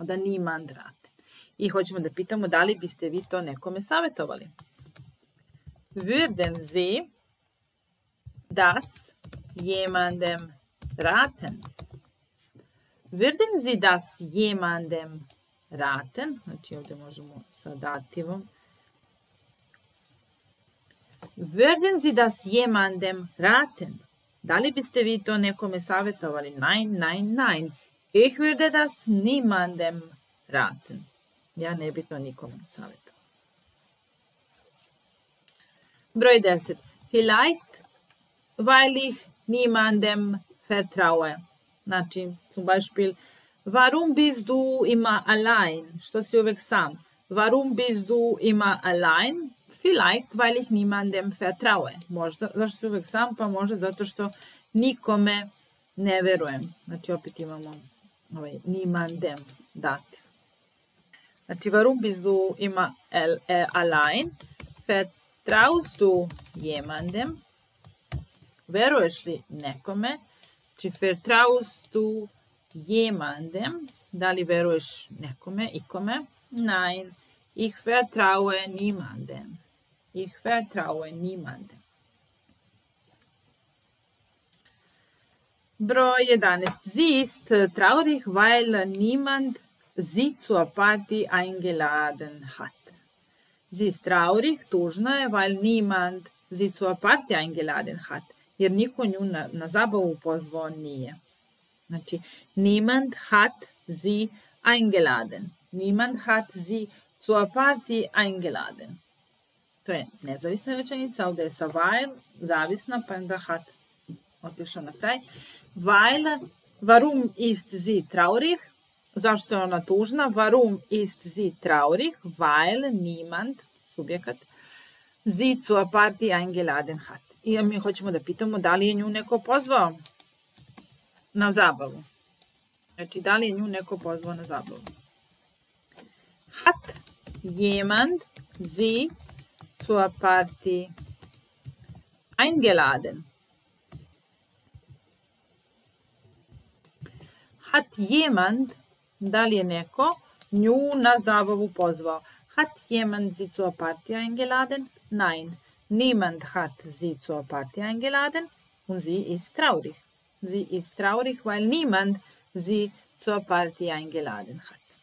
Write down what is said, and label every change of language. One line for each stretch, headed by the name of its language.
German: Oda niemand raten.
Serbian: I hoćemo da pitamo da li biste vi to nekome savjetovali.
German: Würden Sie das jemandem raten? Würden Sie das jemandem raten?
Serbian: Znači ovdje možemo sa dativom.
German: Würden Sie das jemandem raten?
Serbian: Da li biste vi to nekome savjetovali?
German: Nein, nein, nein. Ich würde das niemandem raten.
Serbian: Ja ne bi to nikome savjetovali.
German: Broj 10. Vielleicht, weil ich niemandem vertraue. Znači, zum Beispiel, warum bist du immer allein?
Serbian: Što si uvek sam?
German: Warum bist du immer allein? Vielleicht, weil ich niemandem vertraue.
Serbian: Možda, zašto si uvek sam? Pa možda zato što nikome ne verujem. Znači, opet imamo ovaj, niemandem dati.
German: Znači, warum bist du immer allein? Vertraue. Traust du jemandem?
Serbian: Veruješ li nekome?
German: Či vertraust du jemandem?
Serbian: Da li veruješ nekome, ikome?
German: Nein, ich vertraue niemandem. Ich vertraue niemandem. Broj 11. Sie ist traurig, weil niemand sie zur Party eingeladen hat. Sie ist traurig,
Serbian: tužna je,
German: weil niemand sie zur Party eingeladen hat.
Serbian: Jer niko nju na zabavu pozvao nije. Znači,
German: niemand hat sie eingeladen. Niemand hat sie zur Party eingeladen.
Serbian: To je nezavisna rečenica, ovdje je sa weil, zavisna, pa onda hat otišao na kraj.
German: Weil, warum ist sie traurig?
Serbian: Zašto je ona tužna?
German: Warum ist sie traurig? Weil niemand, subjekat, sie zur Party eingeladen hat.
Serbian: I mi hoćemo da pitamo da li je nju neko pozvao na zabavu. Znači, da li je nju neko pozvao na zabavu?
German: Hat jemand sie zur Party eingeladen? Hat jemand
Serbian: Da li je neko nju na zabavu pozvao?
German: Hat jemand sie zur Party eingeladen? Nein, niemand hat sie zur Party eingeladen und sie ist traurig. Sie ist traurig, weil niemand sie zur Party eingeladen hat.